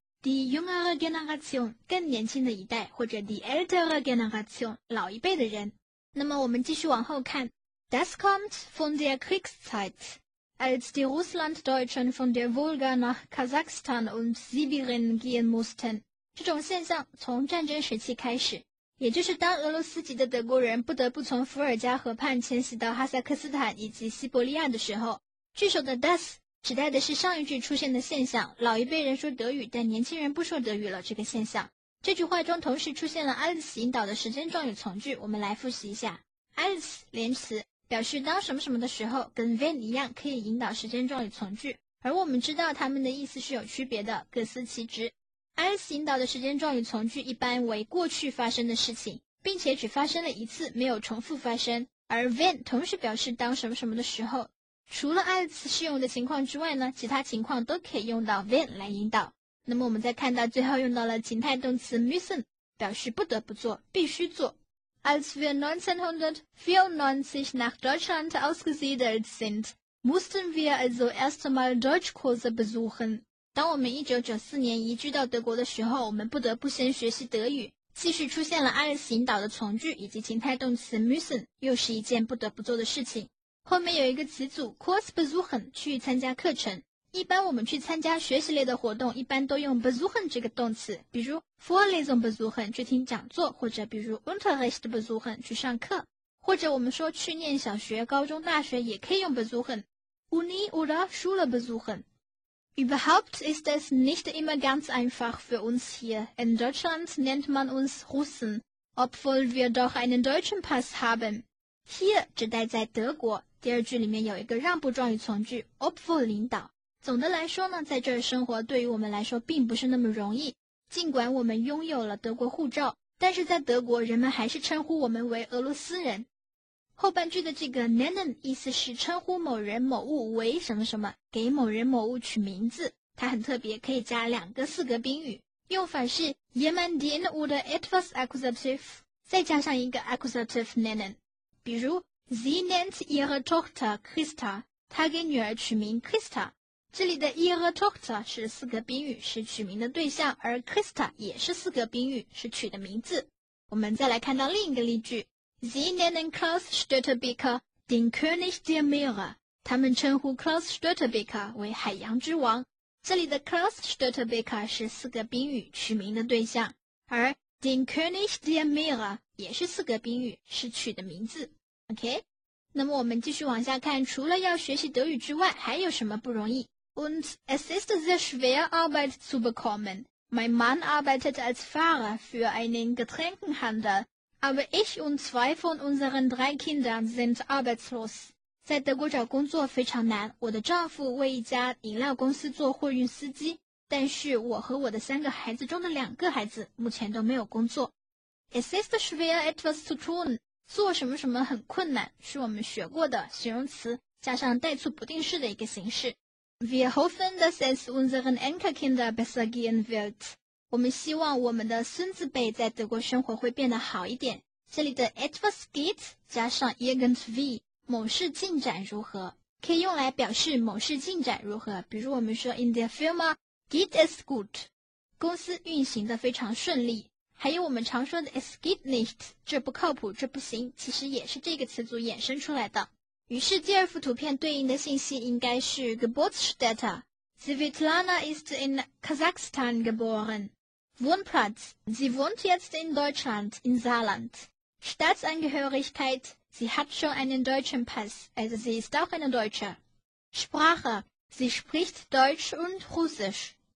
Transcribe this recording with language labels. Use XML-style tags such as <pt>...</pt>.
<de>Die jüngere Generation，</de> <zh>更年轻的一代，或者</zh> <de>die ältere Generation，</de> <zh>老一辈的人。那么我们继续往后看。</zh> <de>Das kommt von der Kriegszeit， als die Russlanddeutschen von der Wolga nach Kasachstan und Sibirien gehen mussten。</de> <zh>这种现象从战争时期开始，也就是当俄罗斯籍的德国人不得不从伏尔加河畔迁徙到哈萨克斯坦以及西伯利亚的时候。句首的 das。指代的是上一句出现的现象，老一辈人说德语，但年轻人不说德语了这个现象。这句话中同时出现了 als 引导的时间状语从句，我们来复习一下。 als 连词表示当什么什么的时候，跟 when 一样可以引导时间状语从句，而我们知道它们的意思是有区别的，各司其职。 als 引导的时间状语从句一般为过去发生的事情，并且只发生了一次，没有重复发生，而 when 同时表示当什么什么的时候。除了 als 适用的情况之外呢，其他情况都可以用到 when 来引导。那么我们再看到最后用到了情态动词 müssen， 表示不得不做，必须做。</zh> <de>Als wir 1994 nach Deutschland ausgesiedelt sind, mussten wir also erstmal Deutschkurse besuchen。</de> <zh>当我们1994年移居到德国的时候，我们不得不先学习德语。继续出现了 als 引导的从句以及情态动词 müssen， 又是一件不得不做的事情。后面有一个词组 Kurs besuchen， 去参加课程。一般我们去参加学习类的活动，一般都用 besuchen 这个动词，比如</zh> <de>Vorlesung besuchen，</de> <zh>去听讲座，或者比如</zh> <de>Unterricht besuchen，</de> <zh>去上课，或者我们说去念小学高中大学也可以用 besuchen，</zh> <de>Uni oder Schule besuchen。 Überhaupt ist es nicht immer ganz einfach für uns hier. In Deutschland nennt man uns Russen, obwohl wir doch einen deutschen Pass haben。</de> <zh>Here 指代在德国，第二句里面有一个让步状语从句 obwohl 领导。总的来说呢，在这儿生活对于我们来说并不是那么容易。尽管我们拥有了德国护照，但是在德国人们还是称呼我们为俄罗斯人。后半句的这个 nennen 意思是称呼某人某物为什么什么，给某人某物取名字。它很特别，可以加两个四格宾语，用法是</zh> <de>jemanden oder etwas</de> <zh>accusative， 再加上一个 accusative nennen。比如</zh> <de>Sie nennt ihre Tochter Christa，</de> <zh>她给女儿取名 Christa。这里的 ihre Tochter 是四格宾语，是取名的对象，而 Christa 也是四格宾语，是取的名字。我们再来看到另一个例句， Sie nennen Klaus Stötebeker den König der Meere，他们称呼 Klaus Stötebeker 为海洋之王。这里的 Klaus Stötebeker 是四格宾语，取名的对象，而</zh> <de>den König der Meere</de> <zh>也是四格宾语，是取的名字。OK，那么我们继续往下看，除了要学习德语之外，还有什么不容易 ？</zh> <de>Und es ist sehr schwer Arbeit zu bekommen. Mein Mann arbeitet als Fahrer für einen Getränkenhandel, aber ich und zwei von unseren drei Kindern sind arbeitslos.</de> <zh>在德国找工作非常难。我的丈夫为一家饮料公司做货运司机，但是我和我的三个孩子中的两个孩子目前都没有工作。</zh> <de>Es ist schwer etwas zu tun.</de> <zh>做什么什么很困难，是我们学过的形容词加上代词不定式的一个形式。</zh> <de>Wir hoffen, dass es unseren Enkelkinder besser gehen wird.</de> <zh>我们希望我们的孙子辈在德国生活会变得好一点。这里的 etwas geht 加上 irgendwie 某事进展如何，可以用来表示某事进展如何。比如我们说</zh> <de>in der Firma geht es gut，</de> <zh>公司运行得非常顺利。还有我们常说的</zh> <de>es geht nicht，</de> <zh>这不靠谱，这不行，其实也是这个词组衍生出来的。于是第二幅图片对应的信息应该是</zh> <de>Geburtsstätte， Svetlana ist in Kazakhstan geboren， Wohnplatz， sie wohnt jetzt in Deutschland in Saarland， Staatsangehörigkeit， sie hat schon einen deutschen Pass， also sie ist auch eine Deutsche， Sprache， sie spricht Deutsch und Russisch。</de>